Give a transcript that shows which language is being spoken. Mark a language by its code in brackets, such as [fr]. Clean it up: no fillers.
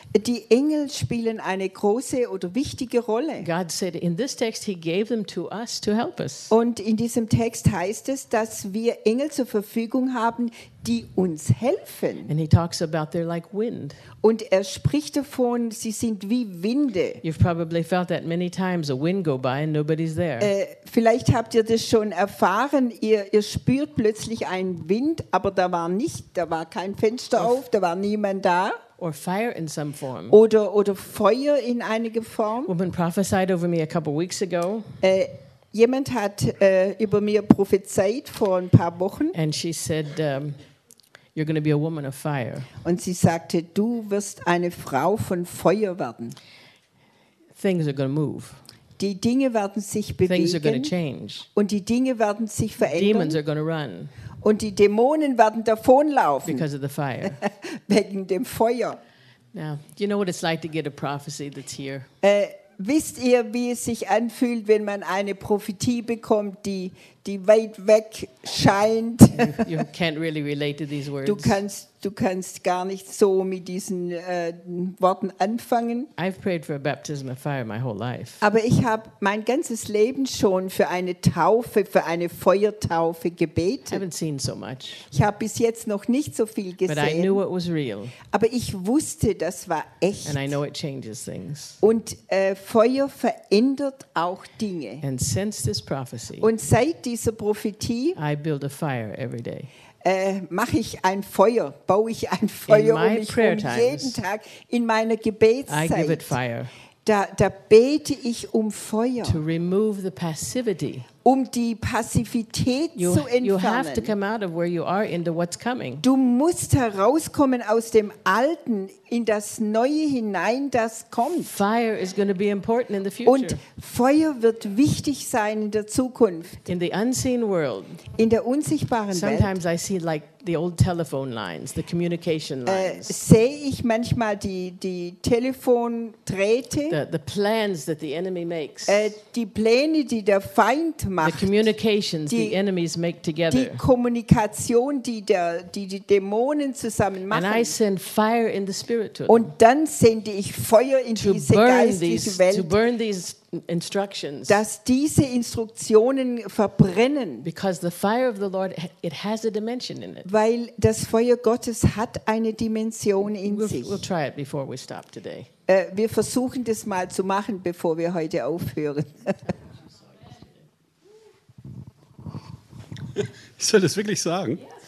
[de] Die Engel spielen eine große oder wichtige Rolle. [en] God said in this text he gave them to us to help us. [de] Und in diesem Text heißt es, dass wir Engel zur Verfügung haben, die uns helfen. [en] And he talks about they're like wind. [de] Und er spricht davon, sie sind wie Winde. [en] You've probably felt that many times, a wind go by and nobody's there. [de] Vielleicht habt ihr das schon erfahren, ihr spürt plötzlich einen Wind, aber da war kein Fenster auf, da war niemand da. [en] Or fire in some form. [de] Oder Feuer in einiger Form. [en] Woman prophesied over me a couple weeks ago. [de] Jemand hat über mir prophezeit vor ein paar Wochen. [en] And she said, you're going to be a woman of fire. [de] Und sie sagte, du wirst eine Frau von Feuer werden. [en] Things are going to move. [de] Die Dinge werden sich bewegen. [en] Things are going to change. [de] Und die Dinge werden sich verändern. [en] Demons are going to run. [de] Und die Dämonen werden davonlaufen. [en] Because of the fire. [de] Wegen dem Feuer. [en] Now, do you know what it's like to get a prophecy that's here? [de] Wisst ihr, wie es sich anfühlt, wenn man eine Prophetie bekommt, die weit weg scheint? [en] You can't really relate to these words. [de] Du kannst du kannst gar nicht so mit diesen Worten anfangen. [en] I've prayed for a baptism of fire my whole life. [de] Aber ich habe mein ganzes Leben schon für eine Taufe, für eine Feuertaufe gebetet. [en] I haven't seen so much. [de] Ich habe bis jetzt noch nicht so viel gesehen. [en] But I knew it was real. [de] Aber ich wusste, das war echt. [en] And I know it changes things. [de] Und Feuer verändert auch Dinge. [en] And since this prophecy, [de] und seit dieser Prophetie, [en] I build a fire every day. [de] Mache ich ein Feuer, baue ich ein Feuer um mich herum jeden Tag in meiner Gebetszeit. [en] I give it fire. [de] Da bete ich um Feuer. [en] To remove the passivity. [de] Um die Passivität zu entfernen. [en] You have to come out of where you are into what's coming. [de] Du musst herauskommen aus dem Alten in das Neue hinein, das kommt. [en] Fire is going to be important in the future. [de] Und Feuer wird wichtig sein in der Zukunft. [en] In the unseen world. [de] In der unsichtbaren Welt. [en] Sometimes I see like the old telephone lines, the communication lines. [de] Sehe ich manchmal die Telefondrähte. [en] The plans that the enemy makes. [de] Die Pläne, die der Feind macht, [en] the communications the enemies make together. [de] Die Kommunikation, die Dämonen zusammen machen. [en] And I send fire in the spirit to them. [de] Und dann sende ich Feuer in diese geistliche Welt. [en] To burn these instructions. [de] Dass diese Instruktionen verbrennen. [en] Because the fire of the Lord, it has a dimension in it. [de] Weil das Feuer Gottes hat eine Dimension in sich. [en] We'll try it before we stop today. [de] Wir versuchen das mal zu machen, bevor wir heute aufhören. Ich soll das wirklich sagen?